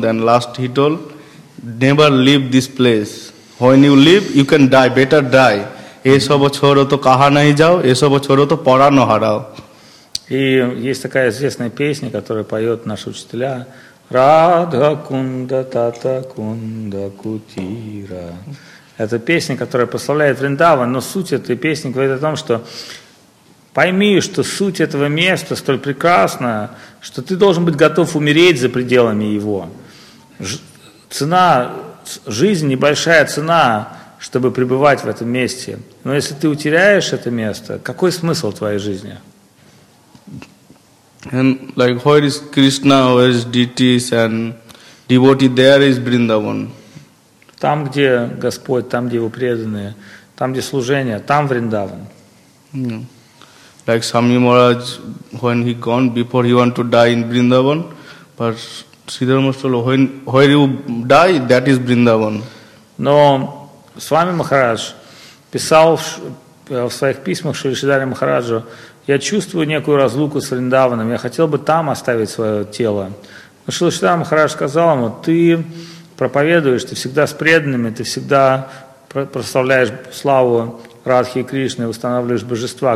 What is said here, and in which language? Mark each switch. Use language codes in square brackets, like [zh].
[en] Then last he told, never leave this place. When you leave, you can die, better die. [bn] Esaba choro to kaha nahi jao, esaba choro to pora no harao. [ru] И есть такая известная песня, которую поет наши учителя. [bn] Радха кунда тата кунда кутира. [ru] Это песня, которая прославляет Вриндаван, но суть этой песни говорит о том, что пойми, что суть этого места столь прекрасна, что ты должен быть готов умереть за пределами его. Цена, жизнь небольшая цена, чтобы пребывать в этом месте. Но если ты утеряешь это место, какой смысл твоей жизни? [en] And like where is Krishna, where is deities and devotee, there is Vrindavan. [ru] Там, где Господь, там, где его преданные, там, где служение, там Вриндаван. [en] Like Swami Maharaj, when he gone, before he want to die in Vrindavan, but Sridhar Maharaj, where you die, that is Vrindavan. [ru] Но Свами Махарадж писал в своих письмах Шридхаре Махараджу, я чувствую некую разлуку с Вриндаваном, я хотел бы там оставить свое тело. Но Шридхар Махарадж сказал ему, ты проповедуешь, ты всегда с преданными, ты всегда прославляешь славу Радхи и Кришны, устанавливаешь божества.